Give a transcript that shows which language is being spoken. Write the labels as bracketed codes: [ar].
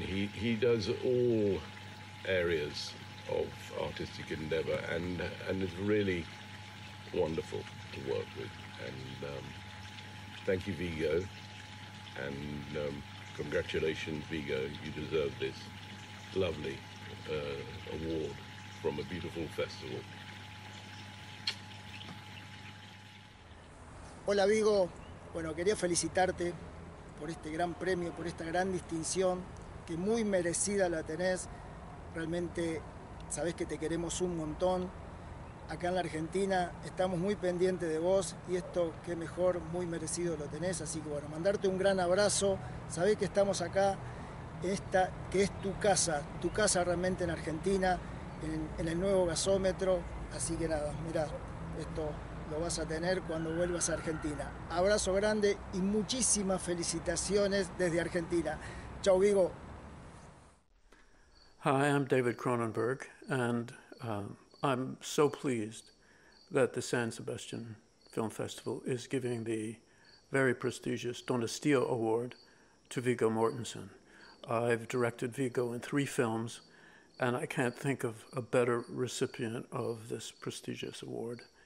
[en] He does all areas of artistic endeavor, and it's really wonderful to work with. And thank you, Viggo, and congratulations, Viggo. You deserve this lovely award from a beautiful festival. [es] Hola, Viggo. Bueno, quería felicitarte por este gran premio, por esta gran distinción que muy merecida la tenés. Realmente sabés que te queremos un montón. Acá en la Argentina estamos muy pendientes de vos y esto, qué mejor, muy merecido lo tenés. Así que bueno, mandarte un gran abrazo. Sabés que estamos acá, esta que es tu casa realmente en Argentina, en el nuevo gasómetro. Así que nada, mirá, esto lo vas a tener cuando vuelvas a Argentina. Abrazo grande y muchísimas felicitaciones desde Argentina. Chau, Viggo. [en] Hi, I'm David Cronenberg, and I'm so pleased that the San Sebastian Film Festival is giving the very prestigious Donostia Award to Viggo Mortensen. I've directed Viggo in 3 films, and I can't think of a better recipient of this prestigious award.